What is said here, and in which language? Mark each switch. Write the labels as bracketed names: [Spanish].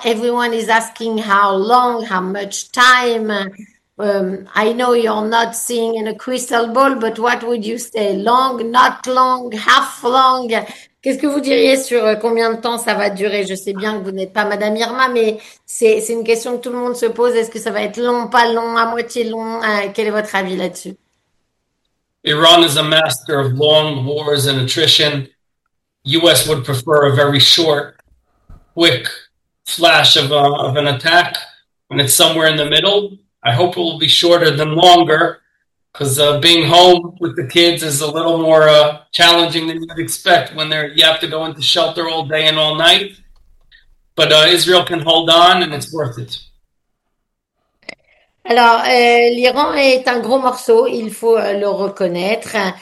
[English] Everyone is asking how long, how much time. I know you're not seeing in a crystal ball, but what would you say? Long, not long, half long? [French] Qu'est-ce que vous diriez sur combien de temps ça va durer? Je sais bien que vous n'êtes pas Madame Irma, mais c'est une question que tout le monde se pose. Est-ce que ça va être long, pas long, à moitié long? Quel est votre avis là-dessus? [English] Iran is a master of long wars and attrition. U.S. would prefer a very short, quick flash of an attack when it's somewhere in the middle. I hope it will be shorter than longer, because being home with the kids is a little more challenging than you'd expect when you have to go into shelter all day and all night. But Israel can hold on, and it's worth it. [French] Alors, l'Iran est un gros morceau, il faut le reconnaître.